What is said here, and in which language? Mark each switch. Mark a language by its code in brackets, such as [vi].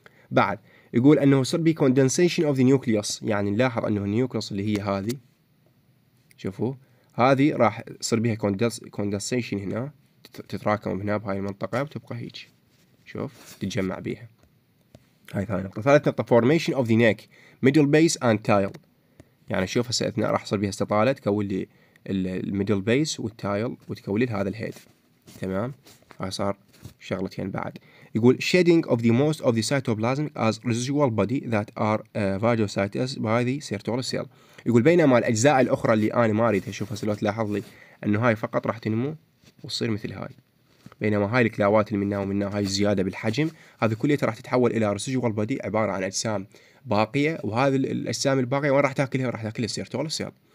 [ar] بعد يقول انه سربي كوندنسيشن اوف ذا نيوكليوس، يعني نلاحظ انه النيوكليوس اللي هي هذه، شوفوا هذه راح يصير بها كوندنسيشن هنا، تتراكم هنا بهاي المنطقة وتبقى هيك، شوف تتجمع بيها. هاي ثاني نقطة. ثالث نقطة [en] formation of the neck middle base and tail، [ar] يعني شوف هسه اثناء راح يصير بها استطالة تكون لي الميدل بيس والتايل وتكون لي هذا الهيد، تمام. هاي صار شغلتين. بعد يقول [en] shedding of the most of the cytoplasm as residual body that are phagocytes by the sertol cell. [ar] يقول بينما الأجزاء الأخرى اللي أنا ما أريدها، شوف هسه لو تلاحظ لي أنه هاي فقط راح تنمو وتصير مثل هاي، بينما هاي الكلاوات اللي منها ومنها هاي الزيادة بالحجم هذه كلها راح تتحول إلى residual body، عبارة عن أجسام باقية، وهذه الأجسام الباقية وين راح تاكلها؟ راح تاكلها السيرتول سيل.